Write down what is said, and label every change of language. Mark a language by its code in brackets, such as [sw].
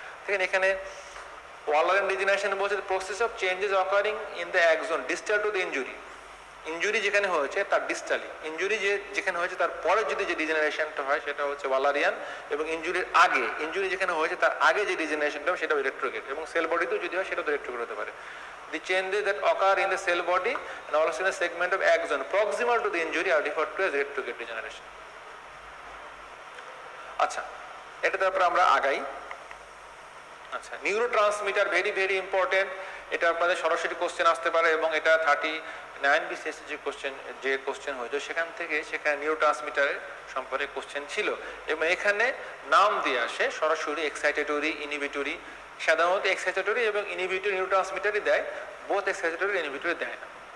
[bn] দেখেন এখানে ওয়ালারিয়ান ডিজেনারেশন বলছে [en] process of changes occurring in the axon distal to the injury, [bn] injury যেখানে হয়েছে তার ডিস্টালি, ইঞ্জুরি যে যেখানে হয়েছে তার পরে যদি যে ডিজেনারেশনটা হয় সেটা হচ্ছে ওয়ালারিয়ান, এবং ইঞ্জুরির আগে, ইঞ্জুরি যেখানে হয়েছে তার আগে যে ডিজেনারেশনটা হবে সেটা রেট্রোগ্রেড, এবং সেল বডিতেও যদি হয় সেটা তো রেট্রোগ্রেড হতে পারে। [en] the changes that occur in the cell body and also in the segment of axon proximal to the injury are referred to as retrograde degeneration. [bn] Acha eta tarpor amra agai আচ্ছা neurotransmitter [en] very very important, [bn] এটা আপনাদের সরাসরি question আসতে পারে এবং এটা 39B সেশনে যে কোশ্চেন হয়েছে সেখানে নিউরোট্রান্সমিটার সম্পর্কে কোশ্চেন ছিল এবং এখানে নাম দিয়ে আসে সরাসরি এক্সাইটেটরি ইনহিবিটরি, সাধারণত এক্সাইটেটরি এবং ইনহিবিটরি নিউরোট্রান্সমিটারই দেয়, বোথ এক্সাইটেটরি ইনহিবিটরি দেয় না।